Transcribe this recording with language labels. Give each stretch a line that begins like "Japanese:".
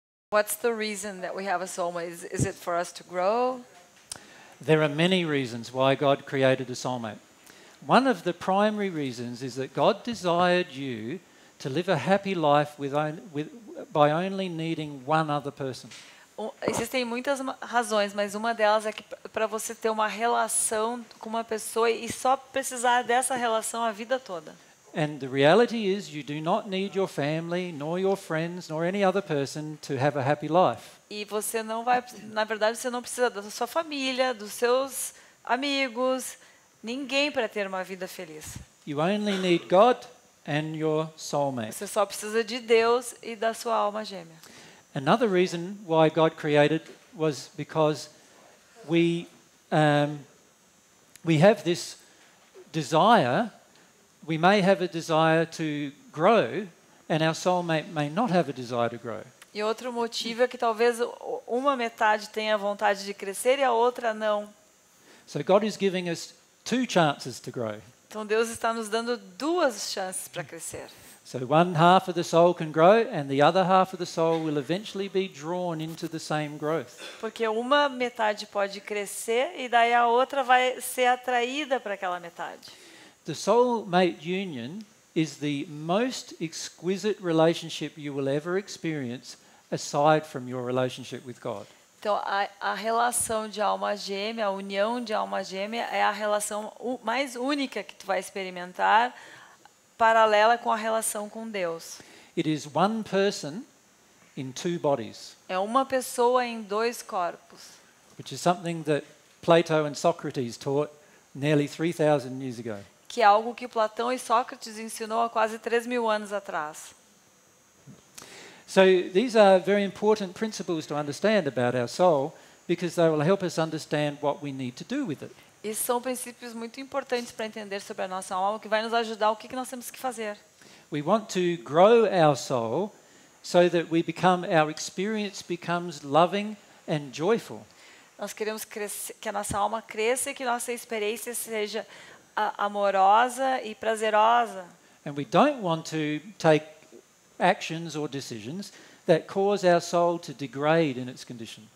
English: What's the reason that we have a soulmate? Is it for us to grow? There are many reasons why God created a soulmate. One of the primary reasons is that God desired you to live a happy life by only needing one other person.
Portuguese: Existem muitas razões, mas uma delas é que para você ter uma relação com uma pessoa e só precisar dessa relação a vida toda.
English: And the reality is you do not need your family nor your friends nor any other person to have a happy life.
Portuguese: E você não vai, na verdade, você não precisa da sua família, dos seus amigos, ninguém para ter uma vida feliz.
English: You only need God and your soulmate.
Portuguese: Você só precisa de Deus e da sua alma gêmea.
English: Another reason why God created was because we have this desire. We may have a desire to grow, and our soulmate may not have a desire to grow.
Portuguese: E outro motivo é que talvez uma metade tenha vontade de crescer e a outra não.
English: So God is giving us two chances to grow.
Portuguese: Então Deus está nos dando duas chances para crescer.
English: So one half of the soul can grow, and the other half of the soul will eventually be drawn into the same growth.
Portuguese: Porque uma metade pode crescer e daí a outra vai ser atraída para aquela metade.
English: The soulmate union is the most exquisite relationship you will ever experience aside from your relationship with God.
Portuguese: Então, a relação de alma gêmea, a união de alma gêmea é a relação mais única que tu vai experimentar paralela com a relação com Deus.
English: It is one person in two bodies.
Portuguese: É uma pessoa em dois corpos.
English: Which is something that Plato and Socrates taught nearly 3000 years ago.
Portuguese: Que é algo que Platão e Sócrates ensinou há quase 3 mil anos atrás.
English: So these are very important principles to understand about our soul because they will help us understand what we need to do with it.
Portuguese: E são princípios muito importantes para entender sobre a nossa alma, que vai nos ajudar o que nós temos que fazer.
English: We want to grow our soul so that we become our experience becomes loving and joyful.
Portuguese: Nós queremos que a nossa alma cresça e que nossa experiência seja amorosa e prazerosa.
English: And we don't want to take actions or decisions that cause our soul to degrade in its condition.